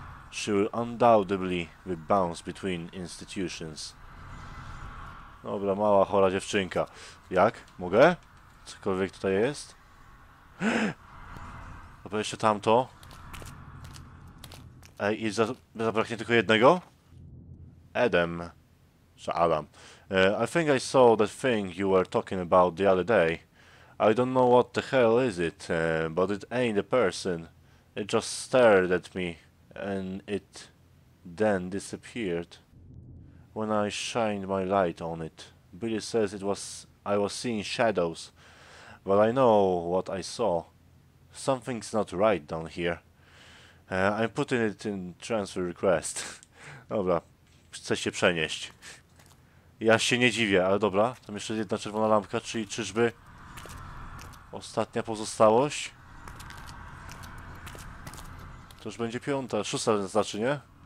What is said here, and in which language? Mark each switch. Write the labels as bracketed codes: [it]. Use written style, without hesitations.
[en] She will undoubtedly be bounced between institutions. [pl] Dobra, mała chora dziewczynka. Jak? Mogę? Cokolwiek tutaj jest? Dobra, jeszcze tamto. Ej, i zabraknie tylko jednego? Adam. Czy Adam. [en] I think I saw that thing you were talking about the other day. I don't know what the hell is it, but it ain't a person. It just stared at me and it then disappeared when I shined my light on it. Billy says I was seeing shadows. But I know what I saw. Something's not right down here. I'm putting it in transfer request. [pl] Dobra, chcę się przenieść. Ja się nie dziwię, ale dobra. Tam jeszcze jedna czerwona lampka, czyli czyżby... ostatnia pozostałość? To już będzie piąta, szósta znaczy, nie?